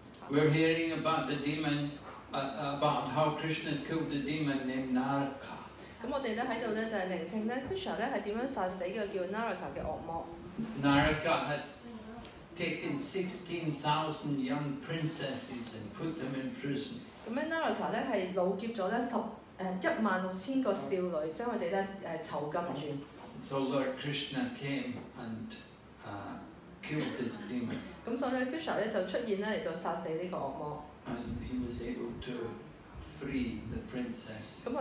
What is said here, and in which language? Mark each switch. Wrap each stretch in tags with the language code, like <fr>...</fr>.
<en>We're hearing about the demon about how Krishna killed a demon named Naraka.</en> <yue>咁我哋咧喺度咧就係聆聽咧，Krishna咧係點樣殺死呢個叫Naraka嘅惡魔。Naraka</yue> <en>had taken 16,000 young princesses and put them in prison.</en> <yue>咁咧，Naraka咧係老劫咗咧16,000個少女，將佢哋咧囚禁住。So</yue> <en>Lord Krishna came and killed this demon.</en> <yue>咁所以咧，Krishna 咧就出現咧嚟到殺死呢個惡魔。</yue> <en>And he was able to free the princess.</en>